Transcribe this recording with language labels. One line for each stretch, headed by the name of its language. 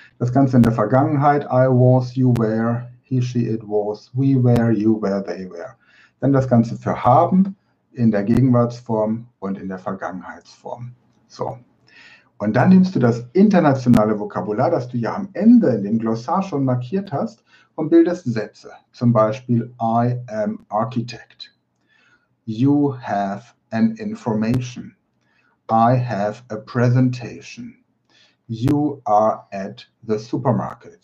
German: Das Ganze in der Vergangenheit,
English: I was, you were, he, she, it was, we were, you were, they were.
German: Dann das Ganze für haben in der Gegenwartsform und in der Vergangenheitsform. So. Und dann nimmst du das internationale Vokabular, das du ja am Ende in dem Glossar schon markiert hast, und bildest Sätze. Zum Beispiel,
English: I am architect. You have an information. I have a presentation. You are at the supermarket.